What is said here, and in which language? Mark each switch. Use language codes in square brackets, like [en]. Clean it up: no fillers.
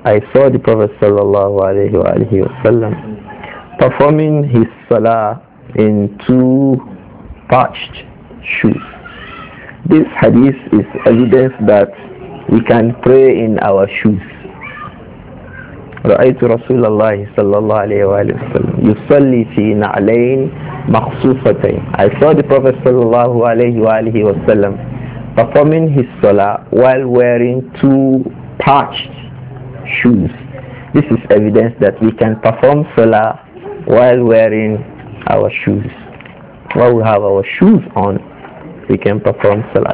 [en] I saw the Prophet sallallahu alayhi wa alayhi wa sallam performing his salah in two patched shoes. This hadith is evidence that we can pray in our shoes. [ar] رأيت رسول الله صلى الله عليه وآله وسلم يصلي في نعلين مخصوفتين. [en] I saw the Prophet [ar] صلى الله عليه وآله وسلم [en] performing his salah while wearing two patched shoes. This is evidence that we can perform salah while wearing our shoes. While we have our shoes on, we can perform salah.